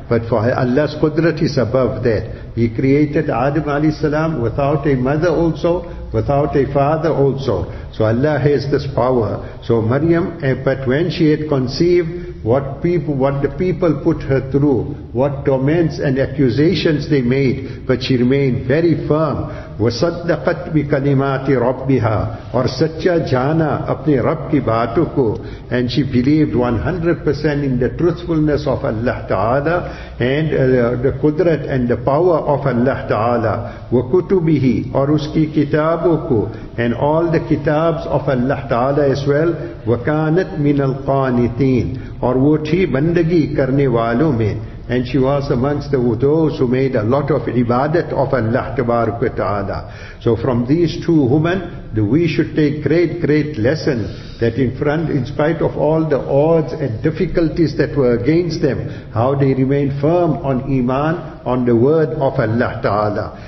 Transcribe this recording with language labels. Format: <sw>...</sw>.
<en>But for Allah's Qudrat is above that. He created Adam alayhi salam without a mother also, without a father also. So Allah has this power. So Maryam, but when she had conceived, what the people put her through, what torments and accusations they made, but she remained very firm.</en> <ar>وَصَدَّقَتْ بِكَلِمَاتِ رَبِّهَا</ar> <ur>اور سَچَّا جَانَا اپنے رب کی باتوں کو.</ur> <en>And she believed 100% in the truthfulness of Allah Ta'ala and the Qudrat and the power of Allah Ta'ala.</en> <ar>وَكُتُبِهِ</ar> <ur>اور اس کی کتابوں کو.</ur> <en>And all the kitabs of Allah Ta'ala as well.</en> <ar>وَكَانَتْ مِنَ الْقَانِتِينَ</ar> <ur>اور وہ تھی بندگی کرنے والوں میں.</ur> <en>And she was amongst those who made a lot of ibadat of Allah Tabaraka Ta'ala. So from these two women, we should take great, great lesson that in spite of all the odds and difficulties that were against them, how they remained firm on Iman, on the word of Allah Ta'ala.</en>